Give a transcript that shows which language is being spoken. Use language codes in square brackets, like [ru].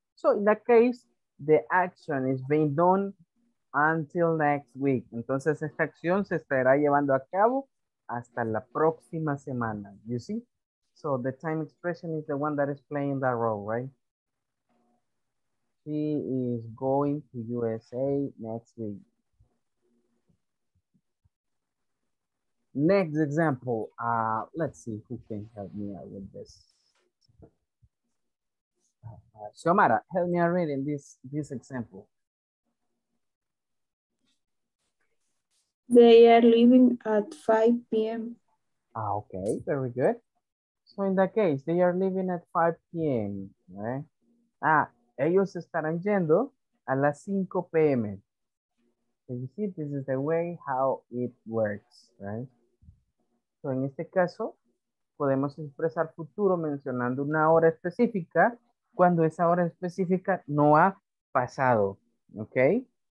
[en] So in that case, the action is being done until next week. [es] Entonces esta acción se estará llevando a cabo hasta la próxima semana. [en] You see? So the time expression is the one that is playing that role, right? She is going to USA next week. Next example, let's see who can help me out with this. Xiomara, help me out reading this example. They are leaving at 5 p.m. Ah, okay, very good. So in that case, they are leaving at 5 p.m., right? [es] Ah, ellos estarán yendo a las 5 p.m. [en] So you see, this is the way how it works, right? [es] So en este caso, podemos expresar futuro mencionando una hora específica cuando esa hora específica no ha pasado, ¿ok?